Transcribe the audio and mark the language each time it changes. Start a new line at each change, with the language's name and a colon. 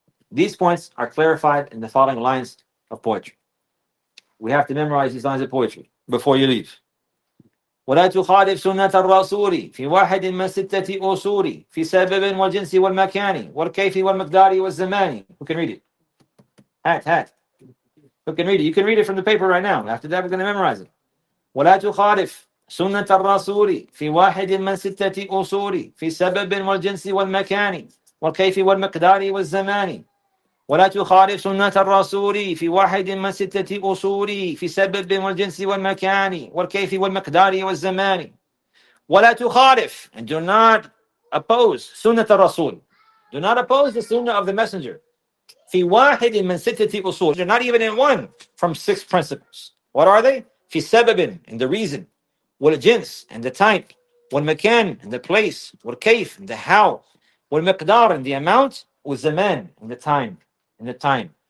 English: These points are clarified in the following lines of poetry. We have to memorize these lines of poetry before you leave.
Arabic: ولا تخالف سنة الرسول في واحد من ستة أصول في سبب والجنس والمكان والكيف والمقدار والزمان.
English: Who can read it? Hat. Who can read it? You can read it from the paper right now. After that, we're going to memorize it.
Arabic: ولا تخالف سنة الرسول في واحد من ستة أصول في سبب والجنس والمكان والكيف والمقدار والزمان. ولا تخالف سنة الرسول في واحد من ستة أصول في سبب والجنس والمكان والكيف والمقدار والزمان. ولا تخالف,
English: and do not oppose,
Arabic: سنة الرسول.
English: Do not oppose the sunnah of the messenger.
Arabic: في واحد من ستة أصول.
English: They're not even in one from six principles. What are they?
Arabic: في سبب
English: and the reason, والجنس and the type, والمكان and the place, والكيف and the how, والمقدار and the amount, والزمان and the time. In the time.